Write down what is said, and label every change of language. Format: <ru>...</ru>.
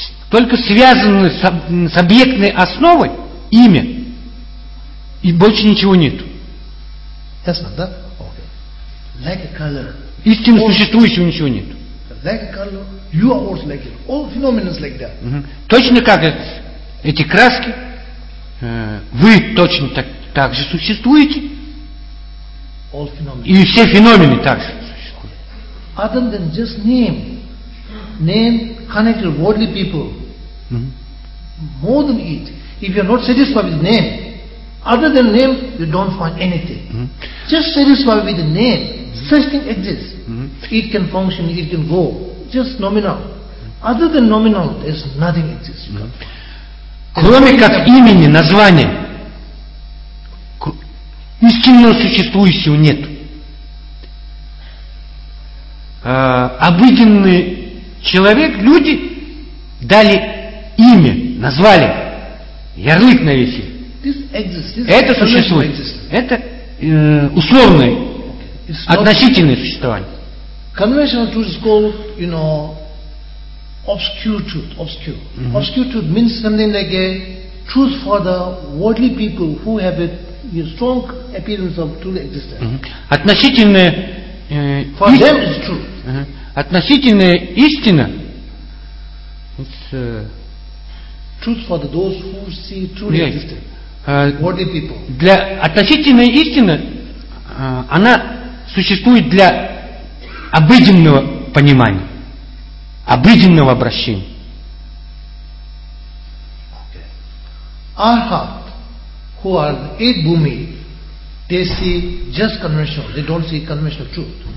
<ru>Только связаны с объектной основой имя, и больше ничего нет.</ru> <en>That's not that. Like a color.</en> <ru>Истинно</ru> <en>also,</en> <ru>существующего ничего нет.</ru> <en>Like a color, you are also like it. All phenomena is like that. Uh-huh.</en> <ru>Точно как эти краски, вы точно так же существуете.</ru> <en>All phenomena.</en> <ru>И все феномены также существуют.</ru> <en>Other than just name. Name connected worldly people. Uh-huh. More than it. If you are not satisfied with name, other than name, you don't find anything. Uh-huh. Just satisfied with the name. Such thing exists. Mm-hmm. It can function, it can go. Just nominal. Other than nominal, there's nothing exists.</en> <ru>Кроме как имени, названия, истинного существующего нет. Обыденный человек, люди дали имя, назвали, ярлык навесили. Это существует. Это условное. Относительное существование.</ru> <en>Conventional truth is called, you know, obscure truth. Obscure. Mm-hmm. Obscure truth means something like a truth for the worldly people who have a strong appearance of truly existence.</en> <ru>Mm-hmm. Относительное.</ru> <en>For them is true.</en> <ru>Uh-huh. Относительная истина.</ru> <en>It's, truth for those who see truly existence. Worldly people.</en> <ru>Для относительной истины она существует для обыденного понимания, обыденного обращения.</ru> <en>Okay. Arhat, who are the eight bhumi, they see just conventional, they don't see conventional truth.</en>